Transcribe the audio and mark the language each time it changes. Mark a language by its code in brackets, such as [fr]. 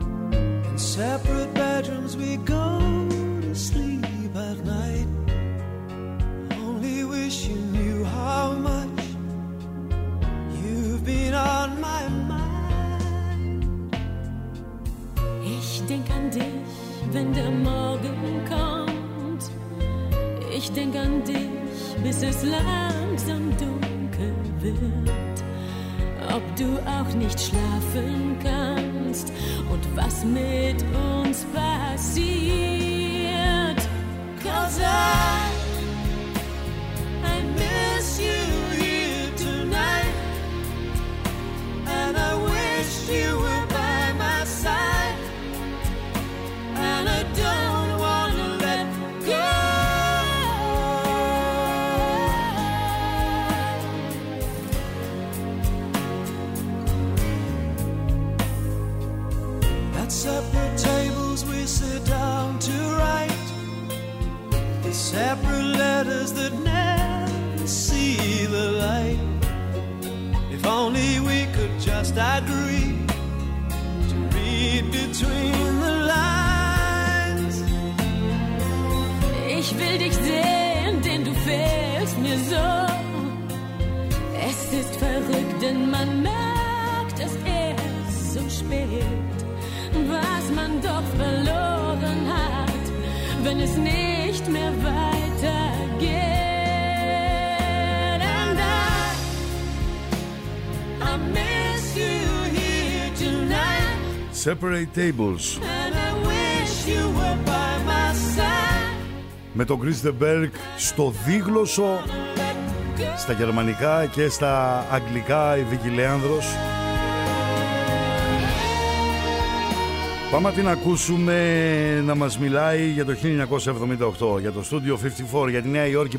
[en] In separate bedrooms we go to sleep at night. Only wish you knew how much you've been on my mind. [de] Ich denk an dich, wenn der Morgen kommt. Ich denk an dich, bis es langsam dunkel wird. Ob du auch nicht schlafen kannst und was mit uns passiert. [en] 'Cause I miss you here tonight and I wish you were by my side and I don't wanna let go. Separate tables we sit down to write, the separate letters that never see the light. If only we could just agree to read between the lines. [de] Ich will dich sehen, denn du fehlst mir so. Es ist verrückt, denn man merkt es erst so spät. Was man doch verloren hat, wenn es nicht mehr weitergeht. [en] And I miss you here tonight. Separate tables. And I wish you were by my side. [el] Με τον Chris de Berg στο δίγλωσσο, στα γερμανικά και στα αγγλικά, η Βίκη Λέανδρος. Πάμε την ακούσουμε να μας μιλάει για το 1978, για το Studio 54, για τη Νέα Υόρκη.